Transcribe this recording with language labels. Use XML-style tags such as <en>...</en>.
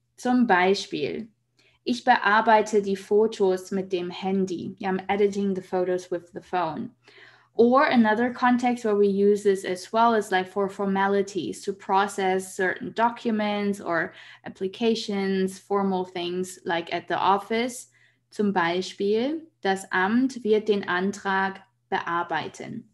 <de>Zum Beispiel, ich bearbeite die Fotos mit dem Handy.</de> <en>Yeah, I'm editing the photos with the phone. Or another context where we use this as well is like for formalities, to process certain documents or applications, formal things like at the office.</en> <de>Zum Beispiel, das Amt wird den Antrag bearbeiten.</de>